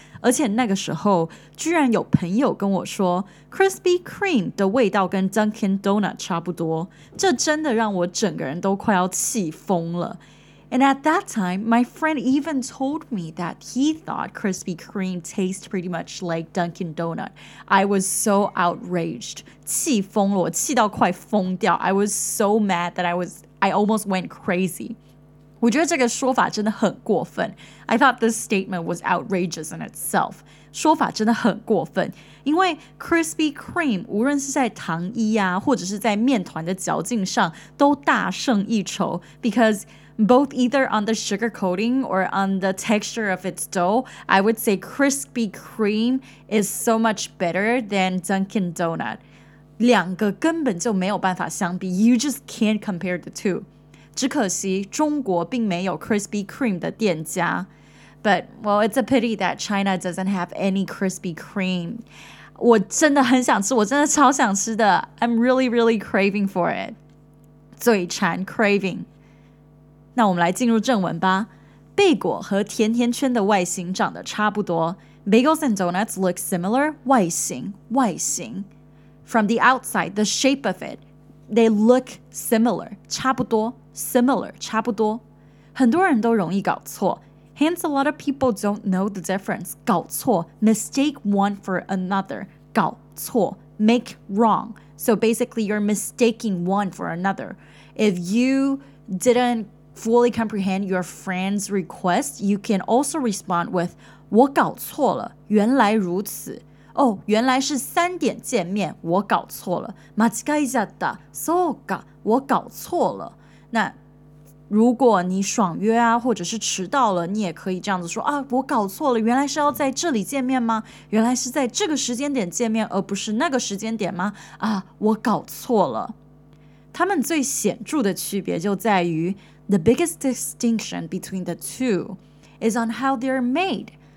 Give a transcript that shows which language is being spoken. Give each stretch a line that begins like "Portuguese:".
Chinese: 而且那个时候居然有朋友跟我说 Krispy Kreme 的味道跟 Dunkin' Donut 差不多，这真的让我整个人都快要气疯了。
English: And at that time, my friend even told me that he thought Krispy Kreme tastes pretty much like Dunkin' Donut. I was so outraged.
Chinese: 气疯了，我气到快疯掉。
English: I was so mad that I almost went crazy.
Chinese: 我觉得这个说法真的很过分。
English: I thought this statement was outrageous in itself.
Chinese: 说法真的很过分。因为 Krispy Kreme 无论是在糖衣啊，或者是在面团的嚼劲上都大胜一筹。
English: Because... Both either on the sugar coating or on the texture of its dough, I would say Krispy Kreme is so much better than Dunkin' Donut.
Chinese: 两个根本就没有办法相比，
English: you just can't compare the two.
Chinese: 只可惜中国并没有 Krispy Kreme 的店家。
English: But, well, it's a pity that China doesn't have any Krispy Kreme.
Chinese: 我真的很想吃，我真的超想吃的。
English: I'm really, really craving for it. 嘴馋 craving.
Chinese: 那我们来进入正文吧。贝果和甜甜圈的外形长得差不多。
English: Bagels and donuts look similar. 外形，外形。 From the outside, the shape of it, they look similar.
Chinese: 差不多 ,similar, 差不多。很多人都容易搞错。
English: Hence, a lot of people don't know the difference.
Chinese: 搞错 ,
English: mistake one for another.
Chinese: 搞错 ,
English: make wrong. So basically, you're mistaking one for another. If you didn't... fully comprehend your friend's request, you can also respond with,
Chinese: 我搞错了，原来如此。 Oh, 原来是三点见面，我搞错了。
Japanese: 間違いじゃった。そうか、
Chinese: 我搞错了。那如果你爽约啊，或者是迟到了，你也可以这样子说啊，我搞错了，原来是要在这里见面吗？原来是在这个时间点见面，而不是那个时间点吗？啊，我搞错了。他们最显著的区别就在于
English: The biggest distinction between the two is on how they're made.